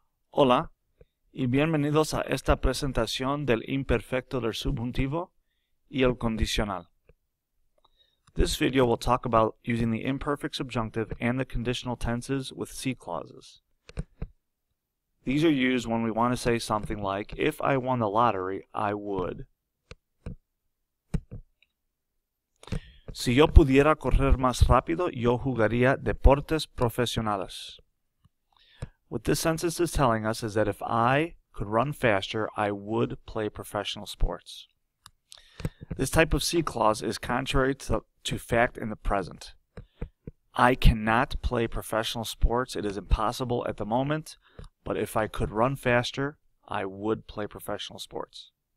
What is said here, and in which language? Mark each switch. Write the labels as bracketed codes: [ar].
[es] Hola y bienvenidos a esta presentación del imperfecto del subjuntivo y el condicional. [en] This video will talk about using the imperfect subjunctive and the conditional tenses with C clauses. These are used when we want to say something like, if I won the lottery, I would. [es] Si yo pudiera correr más rápido, yo jugaría deportes profesionales. [en] What this sentence is telling us is that if I could run faster, I would play professional sports. This type of C clause is contrary to fact in the present. I cannot play professional sports. It is impossible at the moment, but if I could run faster, I would play professional sports.